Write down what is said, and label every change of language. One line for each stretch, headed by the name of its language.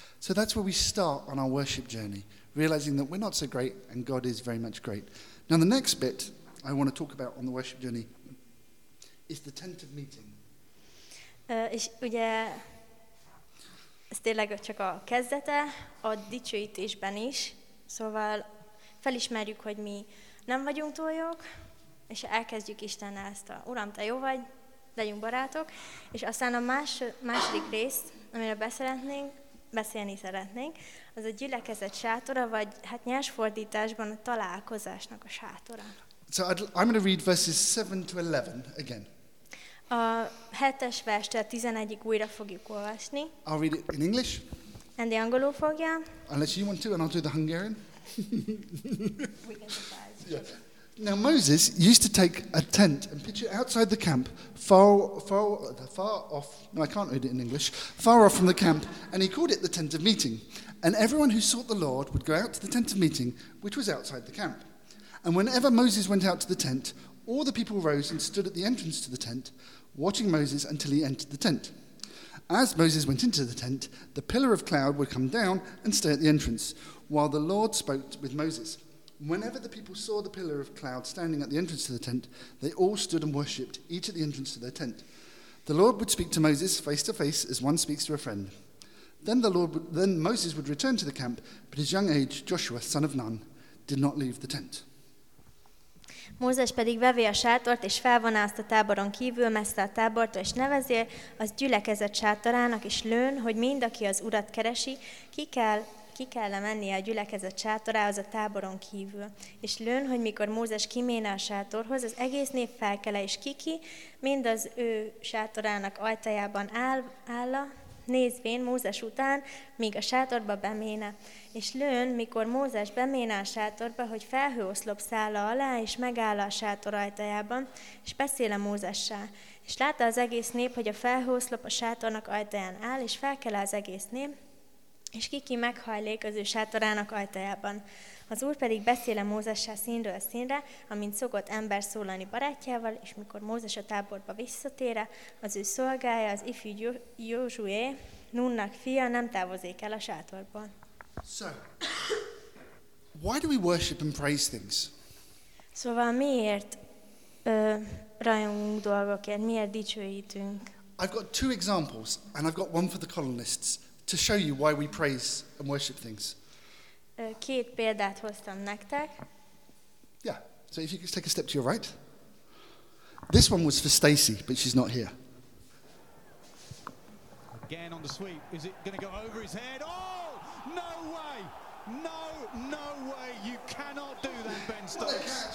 English: So that's where we start on our worship journey, realizing that we're not so great, and God is very much great. Now the next bit I want to talk about on the worship journey is the tent of meeting.
Hungarian: És ugye ez tényleg csak a kezdete a dicsőítésben is, szóval felismerjük, hogy mi nem vagyunk túl jók, és elkezdjük Isten ezt a Uram, te jó vagy, legyünk barátok, és aztán a második részt, amire beszélni szeretnénk, az a gyülekezet sátora, vagy hát nyers fordításban a találkozásnak a sátora.
English: So I'm going to read verses 7 to 11 again.
Hungarian: A 7-es verstől 11-ig újra fogjuk olvasni.
English: I'll read it in English.
Hungarian: Andy angolul fogja.
English: Unless you want to, and I'll do the Hungarian. We can surprise. Yeah. Now Moses used to take a tent and pitch it outside the camp, far off, no, I can't read it in English, far off from the camp, and he called it the tent of meeting. And everyone who sought the Lord would go out to the tent of meeting, which was outside the camp. And whenever Moses went out to the tent, all the people rose and stood at the entrance to the tent, watching Moses until he entered the tent. As Moses went into the tent, the pillar of cloud would come down and stay at the entrance, while the Lord spoke with Moses. Whenever the people saw the pillar of cloud standing at the entrance to the tent, they all stood and worshipped, each at the entrance to their tent. The Lord would speak to Moses face to face as one speaks to a friend. Then Moses would return to the camp, but his young age, Joshua, son of Nun, did not leave the tent.
Hungarian: Mózes pedig vevé a sátort, és felvoná azt a táboron kívül, messze a tábortól, és nevezél az gyülekezet sátorának, és lőn, hogy mind, aki az Urat keresi, ki kell-e mennie a gyülekezet sátorához a táboron kívül. És lőn, hogy mikor Mózes kiméne a sátorhoz, az egész nép felkele, és kiki, mind az ő sátorának ajtajában áll-e, nézvén Mózes után, míg a sátorba beméne. És lőn, mikor Mózes beméne a sátorba, hogy felhőoszlop szála alá, és megáll a sátor ajtajában, és beszél a Mózessel. És látta az egész nép, hogy a felhőoszlop a sátornak ajtaján áll, és felkele az egész nép, és kiki meghajlék az ő sátorának ajtajában. Az Úr pedig beszél a Mózessel színről színre, amint szokott ember szólani barátjával, és mikor Mózes a táborba visszatére, az ő szolgája, az ifjú Józsué, Nunnak fia, nem távozik el a sátorból.
English: So, why do we worship and praise things?
Hungarian: Szóval miért rajongunk dolgokért, miért dicsőítünk?
English: I've got two examples, and I've got one for the colonists, to show you why we praise and worship things.
Hungarian: Két példát hoztam nektek.
English: Yeah, so if you could take a step to your right. This one was for Stacy, but she's not here. Again on the sweep. Is it going to go over his head? Oh, no way. No way. You cannot do that, Ben Stokes.